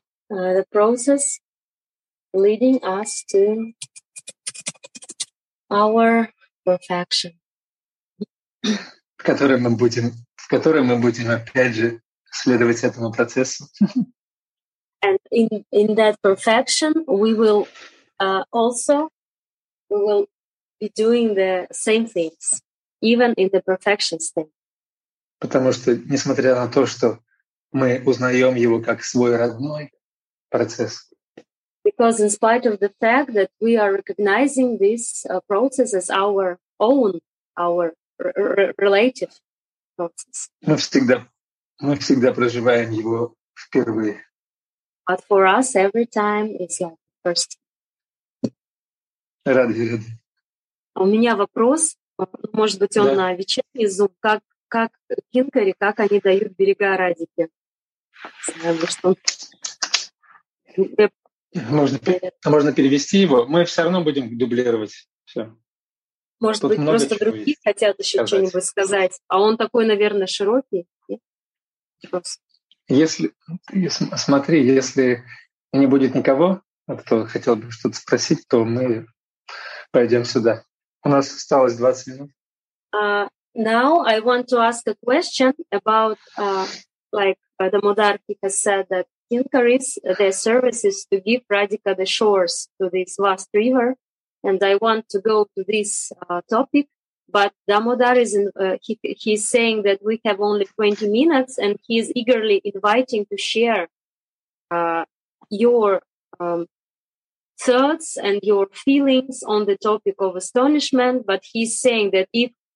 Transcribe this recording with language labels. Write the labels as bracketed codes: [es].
[en] The process leading us to our perfection. [ru] В котором мы будем опять же следовать этому процессу. [en] And in that perfection we will also we will be doing the same things even in the perfection state. [ru] Потому что, несмотря на то, что мы узнаем его как свой родной процесс. [en] Because in spite of the fact that we are recognizing this process as our own, our relative process. [ru] Мы всегда проживаем его впервые. [en] But for us, every time it's like the first. [ru] Рады. У меня вопрос, может быть, он да. На вечерний зум, как кинкари, как они дают берега Радике? Можно перевести его. Мы все равно будем дублировать. Все. Может Тут быть, просто другие хотят еще сказать. Что-нибудь сказать. А он такой, наверное, широкий. Если не будет никого, кто хотел бы что-то спросить, то мы пойдем сюда. У нас осталось 20 минут. [en] Now I want to ask a question about, like Padamodarkika said, that Kinkaris, their service is to give Radhika the shores to this vast river. And I want to go to this topic, but Damodar is he's saying that we have only 20 minutes and he is eagerly inviting to share your thoughts and your feelings on the topic of astonishment. But he's saying that if